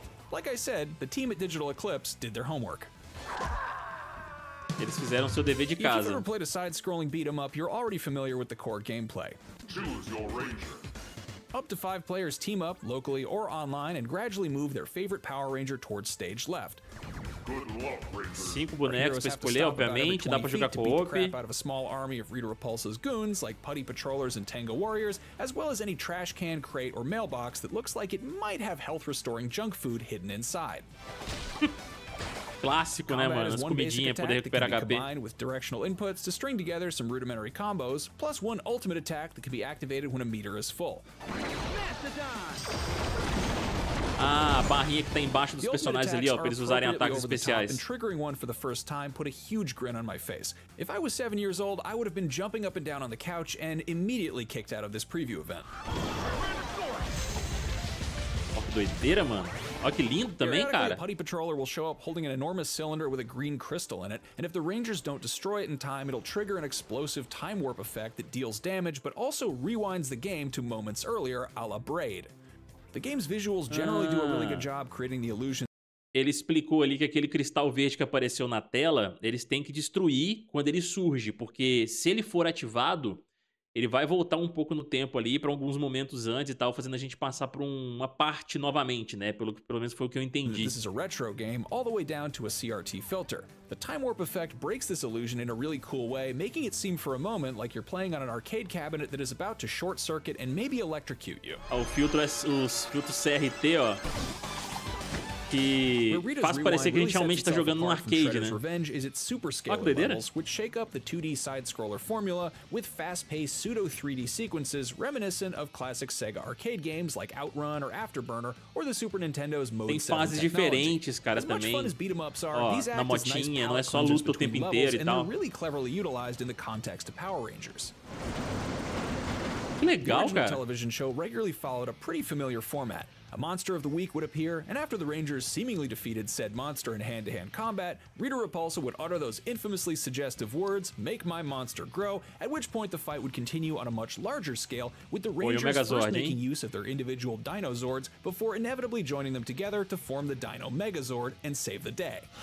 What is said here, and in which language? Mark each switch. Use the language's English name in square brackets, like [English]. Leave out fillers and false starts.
[English] Like I said, the team at Digital Eclipse did their homework. [Portuguese] Eles fizeram seu dever de casa. [English] If you've ever played a side-scrolling beat-em-up, you're already familiar with the core gameplay. Choose your ranger. Up to five players team up, locally or online, and gradually move their favorite Power Ranger towards stage left. Good luck, Ranger. [Portuguese] Cinco bonecos pra escolher, obviamente, dá pra jogar co-op. [English] Beat the crap out of a small army of Rita Repulsa's goons, like Putty Patrollers and Tango Warriors, as well as any trash can, crate, or mailbox that looks like it might have health-restoring junk food hidden inside. [Portuguese] Clássico, né, mano? As comidinhas pra poder recuperar HP. [English] Combined with directional inputs to string together some rudimentary combos, plus one ultimate attack that can be activated when a meter is full. [Portuguese] Ah, a barrinha que tá embaixo dos personagens ali, ó, pra eles usarem ataques especiais. [English] And triggering one for the first time put a huge grin on my face. If I was 7 years old, I would have been jumping up and down on the couch and immediately kicked out of this preview event. [Portuguese] Oh, que doideira, mano. Olha que lindo também, cara. [English] Putty Patroller will show up holding an enormous cylinder with a green crystal in it, and if the Rangers don't destroy it in time, it'll trigger an explosive time warp effect that deals damage, but also rewinds the game to moments earlier, a la Braid. The game's visuals generally do a really good job creating the illusion. [Portuguese] ele explicou ali que aquele cristal verde que apareceu na tela, eles têm que destruir quando ele surge, porque se ele for ativado, ele vai voltar um pouco no tempo ali, para alguns momentos antes e tal, fazendo a gente passar por uma parte novamente, né? Pelo menos foi o que eu entendi. [English] This is a retro game, all the way down to a CRT filter. The Time Warp effect breaks this illusion in a really cool way, making it seem for a moment like you're playing on an arcade cabinet that is about to short circuit and maybe electrocute you. [Portuguese] O filtro é os filtros CRT, ó. Que Rita's faz parecer que a gente realmente está jogando num arcade, né? [English] Revenge is its super scale levels, which shake up the 2D side scroller formula with fast-paced pseudo 3D sequences reminiscent of classic Sega arcade games like Outrun or Afterburner or the Super Nintendo's Mode 7. [Portuguese] Tem fases diferentes, cara, também. Ó, na motinha, não é só luta o tempo inteiro e tal. [English] Really cleverly utilized in the context of Power Rangers. [Portuguese] Que legal, cara. [English] The television show regularly followed a pretty familiar format. A monster of the week would appear, and after the Rangers seemingly defeated said monster in hand-to-hand combat, Rita Repulsa would utter those infamously suggestive words, make my monster grow, at which point the fight would continue on a much larger scale, with the Rangers first making use of their individual Dinozords before inevitably joining them together to form the Dino Megazord and save the day.